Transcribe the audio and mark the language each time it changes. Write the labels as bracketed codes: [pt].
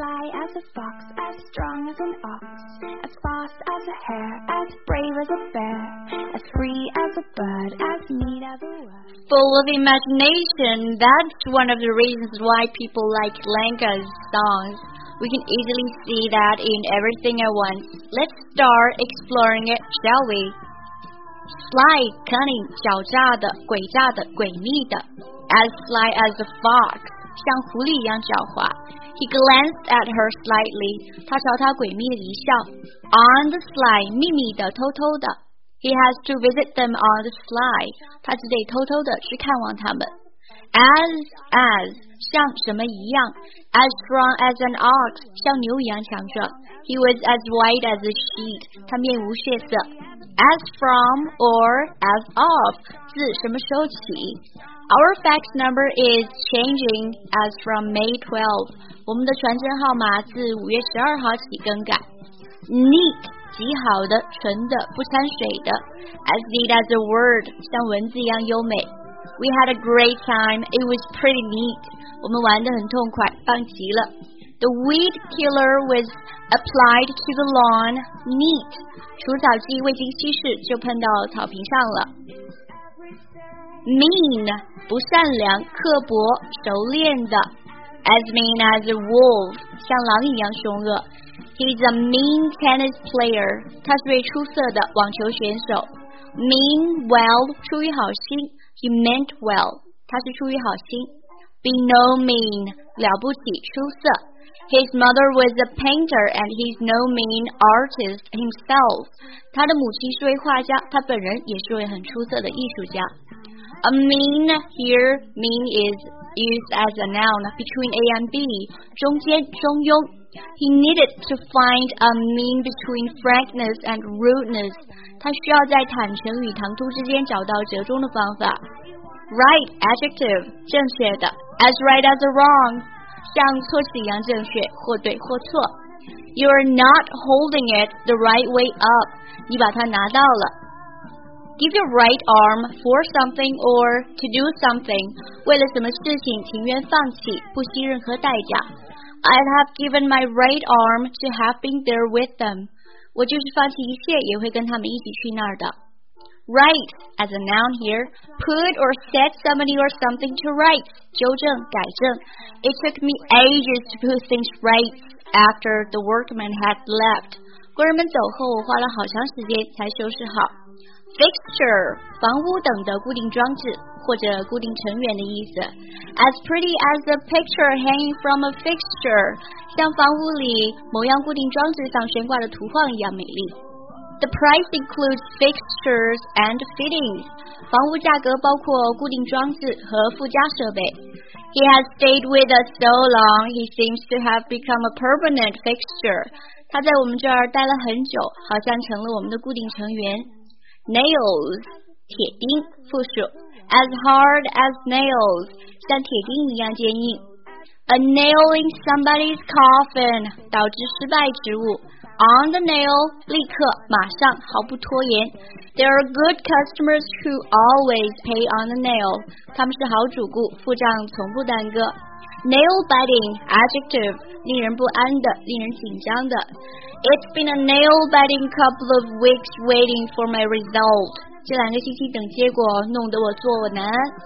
[en] As a fox, as strong as an ox, as fast as a hare, as brave as a bear, as free as a bird, as neat as a word. Full of imagination, that's one of the reasons why people like Lenka's songs. We can easily see that in Everything at Once. Let's start exploring it, shall we? Sly, cunning, [zh] 狡诈的, 诡诈的, 诡秘的, [en] as sly as a fox, [zh] 像狐狸一样狡猾. [en] He glanced at her slightly. [zh] 他朝她诡秘地一笑。 [en] On the sly, [zh] 秘密的，偷偷的。 [en] He has to visit them on the sly. [zh] 他只得偷偷地去看望他们。 As, 像什么一样。 [en] As strong as an ox, [zh] 像牛一样强壮。 [en] He was as white as a sheet. [zh] 他面无血色。 As from or as of, 自什么时候起。 [en] Our fax number is changing as from May 12th. [zh] 我们的传真号码自5月12号起更改。Neat, 极好的，纯的，不掺水的。 [en] As neat as a word, [zh] 像文字一样优美。 [en] We had a great time, it was pretty neat. [zh] 我们玩得很痛快，棒极了。 [en] The weed killer was applied to the lawn, neat. [zh] 除草剂未经稀释就喷到草坪上了。Mean, 不善良，刻薄，熟练的。 [en] As mean as a wolf, [zh] 像狼一样凶恶。 [en] He's a mean tennis player, [zh] 他是位出色的网球选手。 [en] Mean well, [zh] 出于好心。 [en] He meant well, [zh] 他是出于好心。 [en] Be no mean, [zh] 了不起，出色。 [en] His mother was a painter and he's no mean artist himself. [zh] 他的母亲是位画家，他本人也是位很出色的艺术家。 [en] A mean here, mean is used as a noun between A and B, [zh] 中间中庸。 [en] He needed to find a mean between frankness and rudeness. [zh] 他需要在坦诚与唐突之间找到折中的方法。 [en] Right adjective, [zh] 正确的。 [en] As right as a wrong, [zh] 像错字一样正确，或对或错。 [en] You are not holding it the right way up. [zh] 你把它拿到了。 [en] Give your right arm for something or to do something. [zh] 为了什么事情情愿放弃，不惜任何代价。 [en] I'd have given my right arm to have been there with them. [zh] 我就是放弃一切也会跟他们一起去那儿的。 [en] Right, as a noun here, put or set somebody or something to right. [zh] 纠正改正。 [en] It took me ages to put things right after the workmen had left. [zh] 工人们走后我花了好长时间才收拾好。 [en] Fixture, [zh] 房屋等的固定装置。或者固定成员的意思。 [en] As pretty as a picture hanging from a fixture, [zh] 像房屋里某样固定装置上悬挂的图画一样美丽。 [en] The price includes fixtures and fittings. [zh] 房屋价格包括固定装置和附加设备。 [en] He has stayed with us so long, he seems to have become a permanent fixture. [zh] 他在我们这儿待了很久，好像成了我们的固定成员。 [en] Nails, [zh] 铁钉，复数。 [en] As hard as nails, [zh] 像铁钉一样坚硬。 [en] A nail in somebody's coffin, [zh] 导致失败植物。 [en] On the nail, [zh] 立刻马上毫不拖延。 [en] There are good customers who always pay on the nail, [zh] 他们是好主顾，付账从不耽搁。 [en] Nail biting, adjective, [zh] 令人不安的，令人紧张的。 [en] It's been a nail biting couple of weeks waiting for my result. [zh] 这两个星期等结果弄得我坐难安。